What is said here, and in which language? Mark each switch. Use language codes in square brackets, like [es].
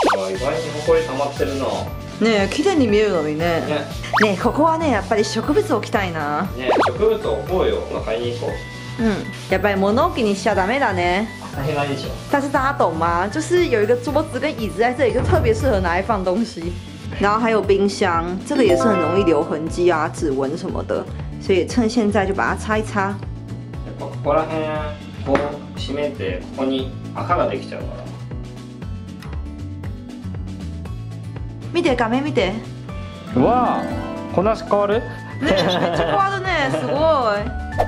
[ja] 意外にほこり溜まってるな。ねえ、綺麗に見えるのにね。ねえ、ここはね、やっぱり植物置きたいな。ねえ、植物置こうよ。まあ、買いに行こう。嗯，やっぱり物置きにしちゃダメだね。 [zh] 但是大家懂吗？就是有一个桌子跟椅子在这里，就特别适合拿来放东西。然后还有冰箱，这个也是很容易留痕迹啊、指纹什么的，所以趁现在就把它擦一擦。 [ja] やっぱここら辺、こう閉めてここに赤ができちゃうから。見て画面見て。わあ、こなし変わる？ね、めっちゃ変わるね、すごい。